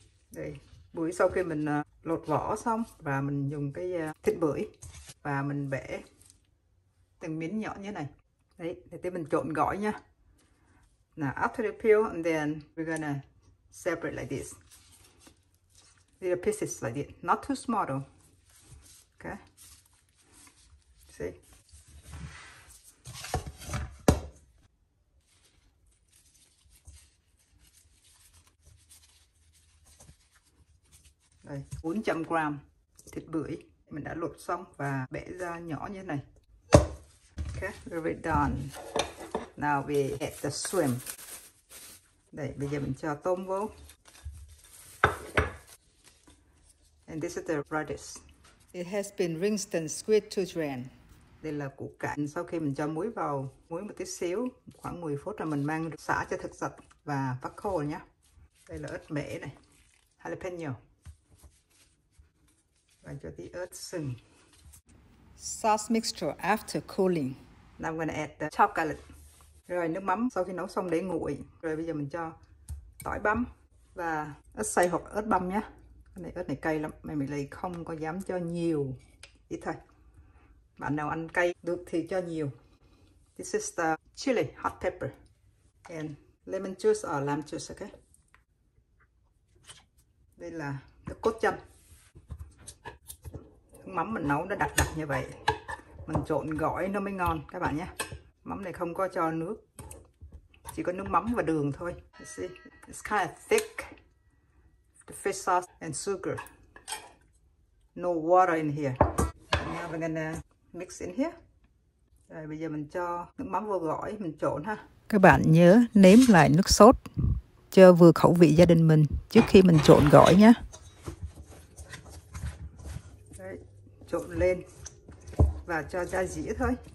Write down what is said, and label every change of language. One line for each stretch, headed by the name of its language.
Vietnamese: Đây, bưởi sau khi mình lột vỏ xong và mình dùng cái thịt bưởi và mình bẻ từng miếng nhỏ như này. Đấy, để tí mình trộn gỏi nha.
English: Now after the peel and then we're gonna separate like this. Little pieces like this, not too small though. Okay. See?
Vietnamese: Đây, 400 gram thịt bưởi mình đã lột xong và bẻ ra nhỏ như thế này.
English: Okay, we're done. Now we add the shrimp.
Vietnamese: Đây, bây giờ mình cho tôm vô.
English: And this is the radish. It has been rinsed and squeezed to drain.
Vietnamese: Đây là củ cải. Sau khi mình cho muối vào, muối một tí xíu, khoảng 10 phút rồi mình mang xả cho thật sạch và vắt khô nhé. Đây là ớt mẻ này, jalapeno.
English: And
Vietnamese: cho tí ớt sừng.
English: Sauce mixture after cooling. Now I'm gonna add the chopped garlic.
Vietnamese: Rồi nước mắm sau khi nấu xong để nguội. Rồi bây giờ mình cho tỏi băm và ớt xay hoặc ớt băm nhé. Cái này ớt này cay lắm. Mày mình lấy không có dám cho nhiều. Ít thôi. Bạn nào ăn cay được thì cho nhiều.
English: This is the chili, hot pepper. And lemon juice or lime juice, okay?
Vietnamese: Đây là nước cốt chanh. Mắm mình nấu nó đặc đặc như vậy, mình trộn gỏi nó mới ngon các bạn nhé. Mắm này không có cho nước, chỉ có nước mắm và đường thôi.
English: You see, it's kind of thick, the fish sauce and sugar, no water in here. And now we're gonna mix in here.
Vietnamese: Rồi bây giờ mình cho nước mắm vô gỏi, mình trộn ha. Các bạn nhớ nếm lại nước sốt cho vừa khẩu vị gia đình mình trước khi mình trộn gỏi nhé. Đấy, trộn lên và cho ra dĩa thôi.